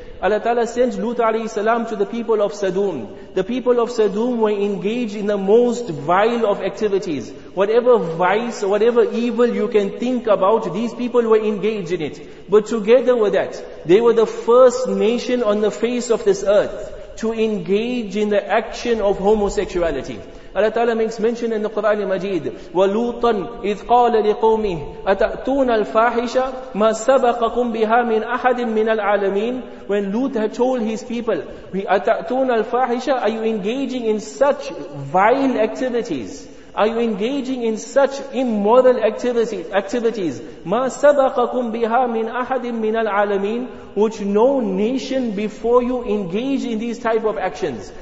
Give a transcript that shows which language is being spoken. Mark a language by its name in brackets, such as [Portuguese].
[English] Allah Ta'ala sent Lut alayhi salam to the people of Sadum. The people of Sadum were engaged in the most vile of activities. Whatever vice, whatever evil you can think about, these people were engaged in it. But together with that, they were the first nation on the face of this earth to engage in the action of homosexuality. [Arabic] Allah Ta'ala [English] makes mention in the [Arabic] Qur'an Majeed, وَلُوطًا إِذْ قَالَ لِقَوْمِهِ أَتَأْتُونَ الْفَاحِشَةِ مَا سَبَقَكُمْ بِهَا مِنْ أَحَدٍ مِنَ الْعَالَمِينَ. [English] When Lut had told his people, [Arabic] أَتَأْتُونَ الْفَاحِشَةِ, [English] are you engaging in such vile activities? Are you engaging in such immoral activities? [Arabic] مَا سَبَقَكُمْ بِهَا مِنْ أَحَدٍ مِنَ الْعَالَمِينَ. [English] Which no nation before you engage in these type of actions.